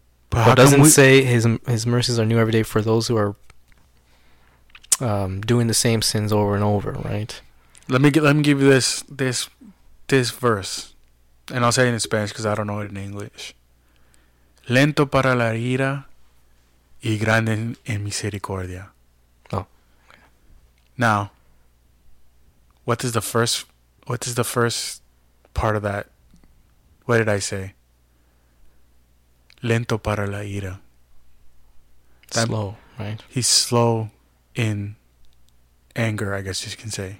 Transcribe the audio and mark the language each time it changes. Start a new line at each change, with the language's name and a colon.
English: But doesn't say his mercies are new every day for those who are doing the same sins over and over, right? Let me give you this verse. And I'll say it in Spanish because I don't know it in English.
Spanish: Lento para la ira y grande en misericordia.
English: Oh. Okay. Now, what is the first part of that? What did I say?
Spanish: Lento para la ira.
English: Slow, right? He's slow in anger, I guess you can say.